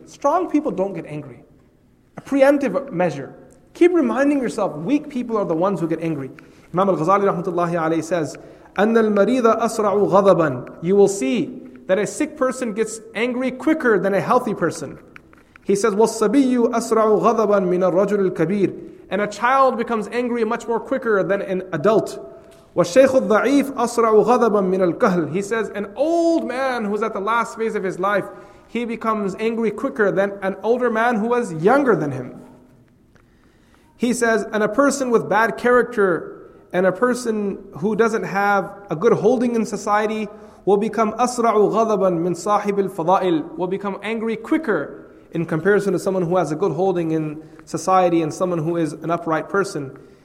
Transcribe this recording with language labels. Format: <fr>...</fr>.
<en>Strong people don't get angry. A preemptive measure. Keep reminding yourself, weak people are the ones who get angry. Imam Ghazali rahmatullahi alayhi says,</en> <ar>أَنَّ الْمَرِيضَ أَسْرَعُ غَضَبًا.</ar> <en>You will see that a sick person gets angry quicker than a healthy person. He says,</en> <ar>وَالصَّبِيُّ أَسْرَعُ غَضَبًا مِنَ الرَّجُلِ الْكَبِيرِ.</ar> <en>And a child becomes angry much more quicker than an adult.</en> <ar>وَالشَّيْخُ الضَّعِيفُ أَسْرَعُ غَضَبًا مِنَ الْكَهْلِ.</ar> <en>He says, an old man who's at the last phase of his life, he becomes angry quicker than an older man who was younger than him. He says, and a person with bad character and a person who doesn't have a good holding in society will become</en> <ar>أَسْرَعُ غَضَبًا مِنْ صَاحِبِ الْفَضَائِلِ,</ar> <en>will become angry quicker in comparison to someone who has a good holding in society and someone who is an upright person.</en>